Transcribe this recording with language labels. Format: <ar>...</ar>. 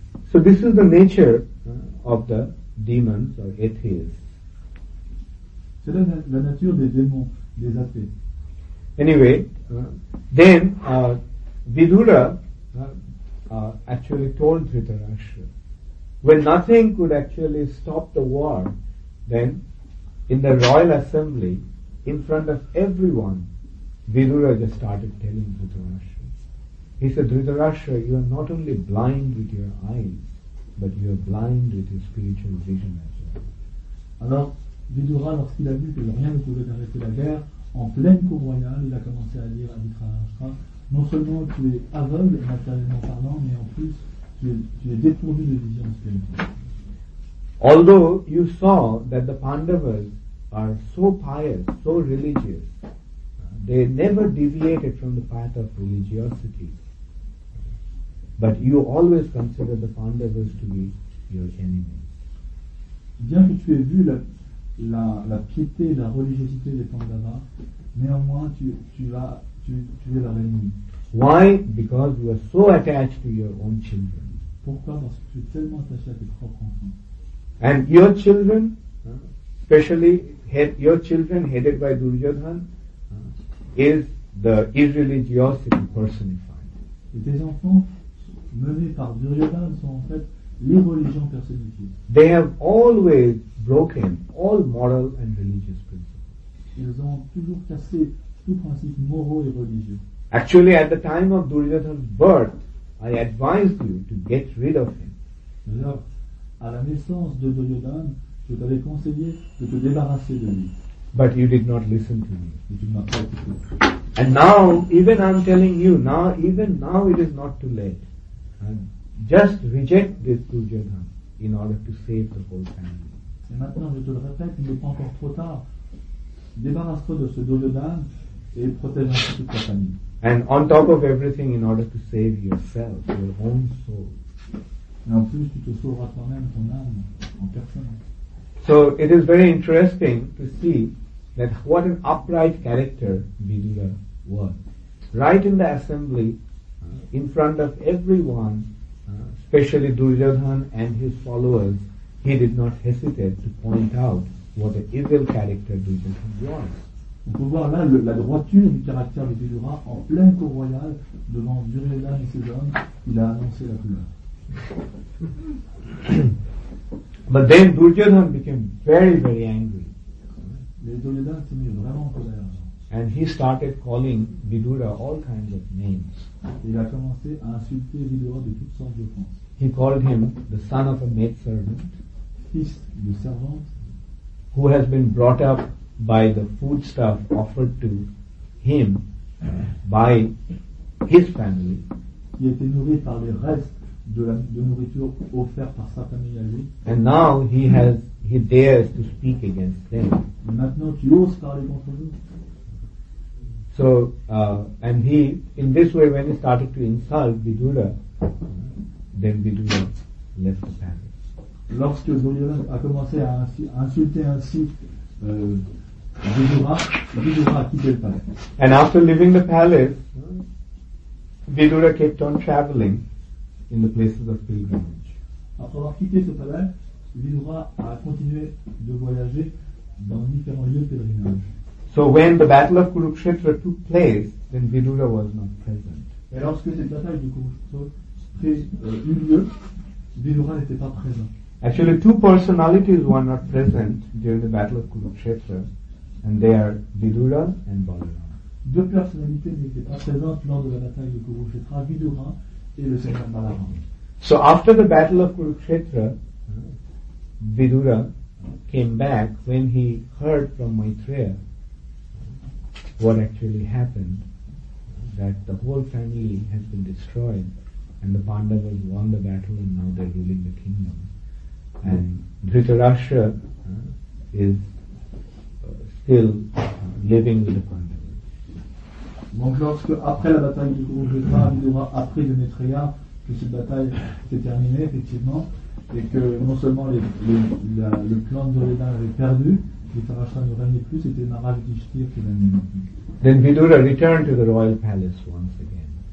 <en>So this is the nature of the demons or atheists.</en> <fr>C'est là la nature des démons, des athées.</fr> <en>Anyway, then Vidura actually told Dhritarashtra, when nothing could actually stop the war, then in the royal assembly, in front of everyone, Vidura just started telling Dhritarashtra. He said, Dhritarashtra, you are not only blind with your eyes, but you are blind with your spiritual vision as well.</en> <fr>Alors, Vidura, lorsqu'il a vu que rien ne pouvait arrêter la guerre, en pleine cour royale, il a commencé à dire à Dhritarashtra, non seulement tu es aveugle, matériellement parlant, mais en plus, tu es dépourvu de vision spirituelle.</fr> <en>Although you saw that the Pandavas are so pious, so religious, they never deviated from the path of religiosity. But you always consider the Pandavas to be your enemies.</en> <fr>Bien que tu aies vu la piété, la religiosité des Pandavas, néanmoins tu es leur ennemi.</fr> <en>Why? Because you are so attached to your own children.</en> <fr>Pourquoi? Parce que tu es tellement attaché à tes propres enfants.</fr> <en>And your children, especially your children headed by Duryodhan, is the irreligiosity personified.</en> <fr>Et tes enfants menés par Duryodhan sont en fait l'irreligion personnifiée.</fr> <en>They have always broken all moral and religious principles.</en> <fr>Ils ont toujours cassé tous principes moraux et religieux.</fr> <en>Actually, at the time of Duryodhan's birth, I advised you to get rid of him.</en> <fr>D'ailleurs, à la naissance de Duryodhan, je t'avais conseillé de te débarrasser de lui.</fr> <en>But you did not listen to me.</en> <fr>Tu ne m'as pas écouté.</fr> <en>And now, even I'm telling you, now, even now it is not too late. Just reject this Duryodhan in order to save the whole family.</en> <fr>Et maintenant, je te le répète, il n'est pas encore trop tard. Débarrasse-toi de ce Duryodhan et protège ainsi toute ta famille.</fr> <en>And on top of everything, in order to save yourself, your own soul.</en> <fr>Et en plus, tu te sauveras toi-même, ton âme, en personne.</fr> <en>So it is very interesting to see that what an upright character Vidura was. Right in the assembly, in front of everyone, especially Duryodhan and his followers, he did not hesitate to point out what an evil character Duryodhan was.</en> <fr>On peut voir là la droiture du caractère de Vidura en pleine cour royale devant Duryodhan et ses hommes. Il a annoncé la couleur.</fr> <en>But then Duryodhan became very, very angry.</en> <fr>Mais Duryodhan s'est mis vraiment en colère.</fr> <en>And he started calling Vidura all kinds of names.</en> <fr>Il a commencé à insulter Vidura de toutes sortes d'offenses.</fr> <en>He called him the son of a maid servant.</en> <fr>Fils de servante.</fr> <en>Who has been brought up by the foodstuff offered to him by his family.</en> <fr>Qui a été nourri par les restes de nourriture offerte par sa famille à lui.</fr> <en>And now he dares to speak against them.</en> <fr>Et maintenant tu oses parler contre eux.</fr> <en>So and he, in this way, when he started to insult Vidura, then Vidura left the family.</en> <fr>Lorsque Duryodhan a commencé à insulter ainsi Vidura a quitté le palais.</fr> <en>And after leaving the palace, Vidura kept on traveling in the places of pilgrimage.</en> <fr>Après avoir quitté ce palais, Vidura a continué de voyager dans différents lieux de pèlerinage.</fr> <en>So when the battle of Kurukshetra took place, then Vidura was not present.</en> <fr>Et lorsque cette bataille de Kurukshetra eut lieu, Vidura n'était pas présent.</fr> <en>Actually, two personalities were not present during the battle of Kurukshetra, and they are Vidura and Balaram.</en> <fr>Deux personnalités n'étaient pas présentes lors de la bataille de Kurukshetra, Vidura et le Seigneur Balaram.</fr> <en>So after the battle of Kurukshetra, Vidura came back when he heard from Maitreya what actually happened, that the whole family has been destroyed and the Pandavas won the battle and now they're ruling the kingdom. And Dhritarashtra is still living with the Pandavas.</en> <fr>Donc lorsque, après la bataille du Kurukshetra, Vidura, après de Maitreya, que cette bataille s'est terminée, effectivement, et que non seulement le clan de Duryodhana avait perdu, Dhritarashtra ne régnait plus, c'était Maharaj Yudhishthira qui l'avait maintenu.</fr> <en>Then Vidura returned to the royal palace once again.</en>